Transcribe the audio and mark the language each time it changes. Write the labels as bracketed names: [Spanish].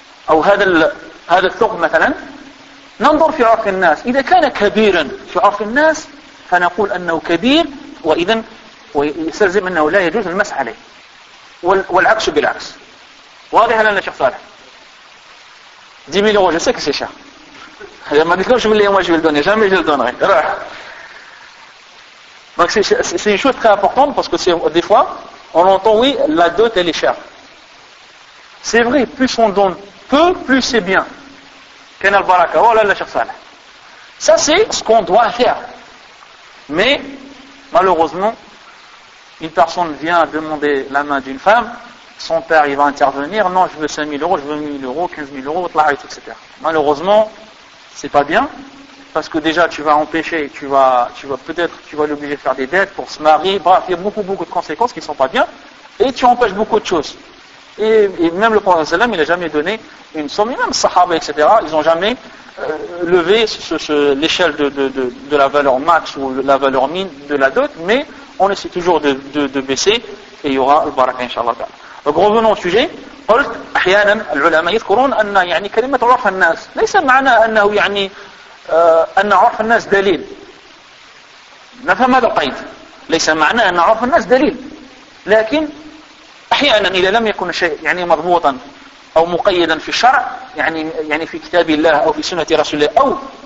[Arabic] أو هذا الثقب مثلا ننظر في عرف الناس إذا كان كبيرا في عرف الناس فنقول أنه كبير وإذا يستلزم أنه لا يجوز المسح عليه والعكس بالعكس واضح لنا شيخ صالح [French] 10000 euros, je sais que c'est cher. Je m'a dit que je vais le donner. Jamais je le donnerai. Donc c'est une chose très importante parce que des fois, on entend, oui, la dot, elle est chère. C'est vrai, plus on donne peu, plus c'est bien. [Arabic] Ken al-baraka, [French] oh là là, cher Salah. Ça, c'est ce qu'on doit faire. Mais, malheureusement, une personne vient demander la main d'une femme, son père il va intervenir, non je veux 5000 euros, je veux 1000 euros, 15000 euros, etc. Malheureusement, c'est pas bien, parce que déjà tu vas empêcher, tu vas peut-être l'obliger à faire des dettes pour se marier, bref, il y a beaucoup de conséquences qui ne sont pas bien, et tu empêches beaucoup de choses. Et même le prophète sallam, il n'a jamais donné une somme, et même sahaba, etc., ils n'ont jamais levé l'échelle de la valeur max ou la valeur min de la dot, mais on essaie toujours de baisser, et il y aura le baraka, inshallah. Donc revenons au sujet. [Arabic] قلت احيانا العلماء يذكرون ان يعني كلمه عرف الناس ليس معنى انه يعني ان عرف الناس دليل نفهم هذا القيد ليس معنى ان عرف الناس دليل لكن احيانا اذا لم يكن شيء يعني مضبوطا او مقيدا في الشرع يعني في كتاب الله او في سنه رسول الله او